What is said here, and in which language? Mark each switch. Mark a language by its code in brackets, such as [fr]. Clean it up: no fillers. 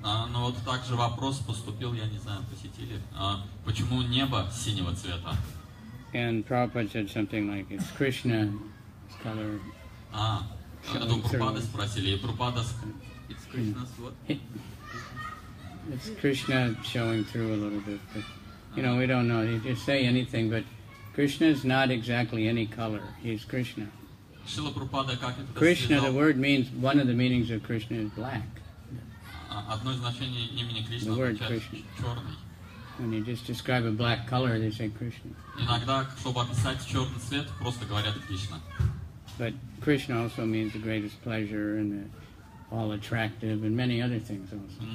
[ru] Ну вот также вопрос поступил, я не знаю, посетили. Почему небо синего цвета? [en] And Prabhupada said something like, it's Krishna's color. [ru] Это Прабхупада спросили, и Прабхупада... [en] It's Krishna's what? It's Krishna showing through a little bit. But, you know, we don't know. He just say anything, but Krishna is not exactly any color. He's Krishna. [ru] Шрила Прабхупада как это [en] Krishna, [ru] связал? [en] The word means, one of the meanings of Krishna is black. [ru] Одно из значений имени Кришна означает черный. [en] When you just describe a black color, they say Krishna. [ru] Иногда, чтобы описать черный цвет, просто говорят Кришна. [en] But Krishna also means the greatest pleasure and the all attractive and many other things also.